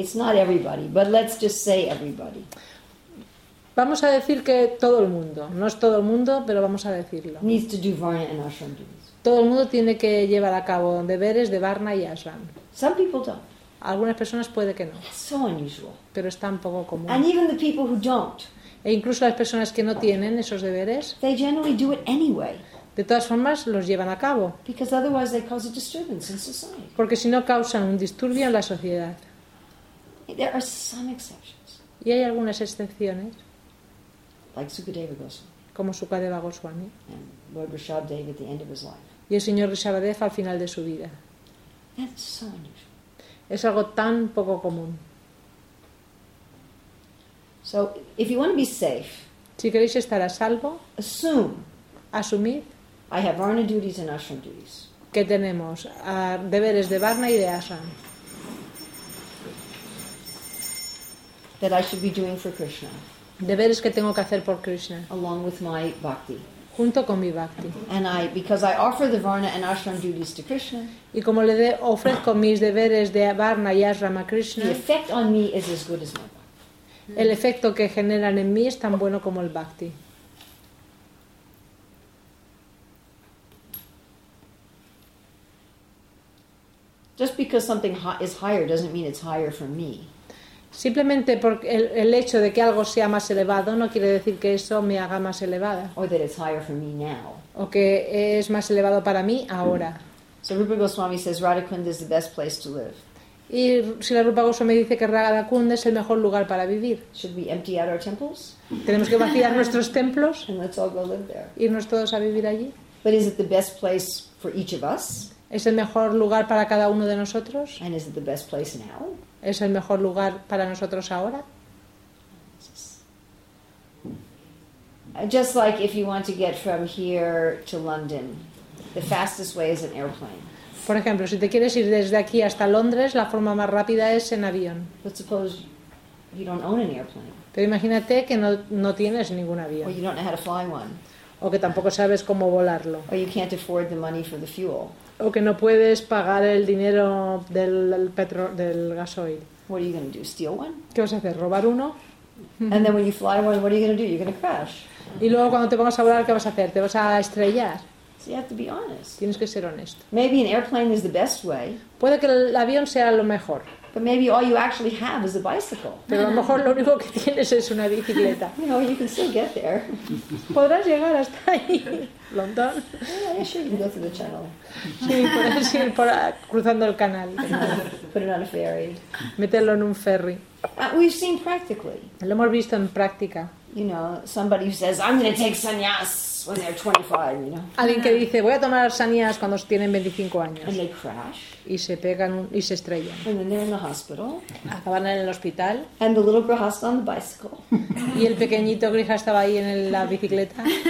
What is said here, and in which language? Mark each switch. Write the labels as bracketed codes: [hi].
[en] It's not everybody, but let's just say everybody. [es] Vamos a decir que todo el mundo, no es todo el mundo, pero vamos a decirlo. [en] Needs to do varna and ashram duties. [es] Todo el mundo tiene que llevar a cabo deberes de varna y ashram. [en] Some people don't. [es] Algunas personas puede que no. [en] That's so unusual. [es] Pero es tan poco común. [en] And even the people who don't. [es] E incluso las personas que no tienen esos deberes. [en] They generally do it anyway. [es] De todas formas, los llevan a cabo. [en] Because otherwise they cause a disturbance in society. [es] Porque si no causan un disturbio en la sociedad. [en] There are some exceptions. [es] Y hay algunas excepciones. [en] Like Sukadeva Goswami. [es] Como Sukadeva Goswami. [en] And Lord Rishabhdev at the end of his life. [es] Y el señor Rishabhdev al final de su vida. [en] That's so unusual. [es] Es algo tan poco común. [en] So, if you want to be safe, [es] si queréis estar a salvo, asumid, [en] I have varna duties and ashram duties. [es] Que tenemos deberes de varna y de ashram. [en] That I should be doing for Krishna. [es] Deberes que tengo que hacer por Krishna. [en] Along with my bhakti. [es] Junto con mi bhakti. [en] And I, because I offer the varna and ashram duties to Krishna. [es] Y como le ofrezco mis deberes de varna y ashram a Krishna. [en] The effect on me is as good as my bhakti. [es] El efecto que generan en mí es tan bueno como el bhakti. [en] Just because something is higher doesn't mean it's higher for me. [es] Simplemente por el hecho de que algo sea más elevado no quiere decir que eso me haga más elevada. [en] Or that it's higher for me now. [es] O que es más elevado para mí ahora. [en] So Rupa Goswami says Radhakund is the best place to live. [es] Y si la Rupa Goswami dice que Radhakund es el mejor lugar para vivir. [en] Should we empty out our temples? [es] Tenemos que vaciar nuestros templos. [en] And let's all go live there. [es] Irnos todos a vivir allí. [en] But is it the best place for each of us? [es] ¿Es el mejor lugar para cada uno de nosotros? [en] And is it the best place now? [es] ¿Es el mejor lugar para nosotros ahora? [en] Just like if you want to get from here to London, the fastest way is an airplane. [es] Por ejemplo, si te quieres ir desde aquí hasta Londres, la forma más rápida es en avión. [en] But suppose you don't own an airplane. [es] Pero imagínate que no tienes ningún avión. [en] Or you don't know how to fly one. [es] O que tampoco sabes cómo volarlo. [en] Or you can't afford the money for the fuel. [es] O que no puedes pagar el dinero del gasoil. [en] What are you going to do? Steal one? [es] ¿Qué vas a hacer? ¿Robar uno? [en] And then when you fly one, what are you going to do? You're going to crash. [es] Y luego cuando te pongas a volar, ¿qué vas a hacer? ¿Te vas a estrellar? [en] So you have to be honest. [es] Tienes que ser honesto. [en] Maybe an airplane is the best way. [es] Puede que el avión sea lo mejor. [en] But maybe all you actually have is a bicycle. [es] Pero a lo mejor lo único que tienes es una bicicleta. [en] You know, you can still get there. [es] Podrás llegar hasta ahí, London. [en] Yeah, sure, you can go through the channel. [es] Sí, puedes ir cruzando el canal. [en] Put it on a ferry. [es] Meterlo en un ferry. [en] We've seen practically. [es] Lo hemos visto en práctica. [en] You know, somebody who says, I'm going to take sannyas when they're 25, you know. [es] Alguien que dice, voy a tomar sannyas cuando tienen 25 años. [en] And they crash. [es] Y se pegan y se estrellan. [en] And then they're in the hospital. [es] Acaban en el hospital. [en] And the little grihasta on the bicycle. [es] Y el pequeñito grihasta estaba ahí en la bicicleta.